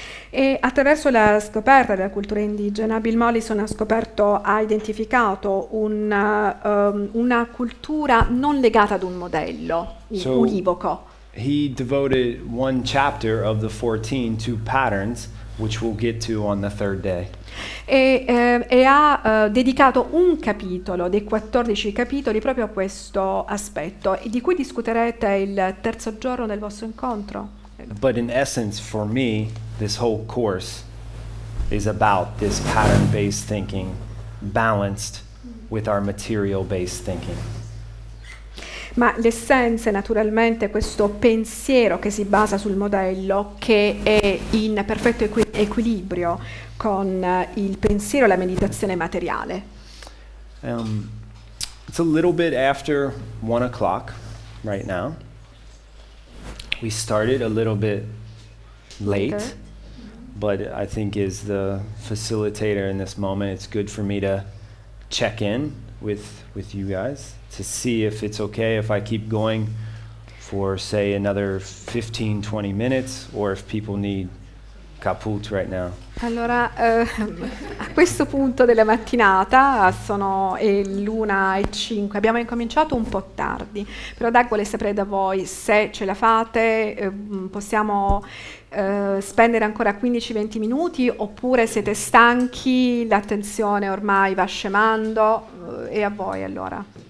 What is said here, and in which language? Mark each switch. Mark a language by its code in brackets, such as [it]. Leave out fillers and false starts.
[it] E attraverso la scoperta della cultura indigena, Bill Mollison ha identificato una cultura non legata ad un modello univoco. [en] He devoted one chapter of the 14 to patterns, which we'll get to on the third day. [it] E ha dedicato un capitolo dei 14 capitoli proprio a questo aspetto, di cui discuterete il terzo giorno del vostro incontro. [en] But in essence, for me, this whole course is about this pattern-based thinking balanced with our material-based thinking. [it] ma l'essenza è naturalmente questo pensiero che si basa sul modello, che è in perfetto equilibrio con il pensiero e la meditazione materiale. [en] It's a little bit after 1 o'clock right now. We started a little bit late, okay. But I think as the facilitator in this moment, it's good for me to check in with you guys to see if it's okay if I keep going for, say, another 15, 20 minutes, or if people need caput right now. [it] Allora, a questo punto della mattinata sono l'una e cinque, abbiamo incominciato un po' tardi, però Doug vuole sapere da voi se ce la fate, possiamo spendere ancora 15-20 minuti oppure siete stanchi, l'attenzione ormai va scemando, e a voi allora.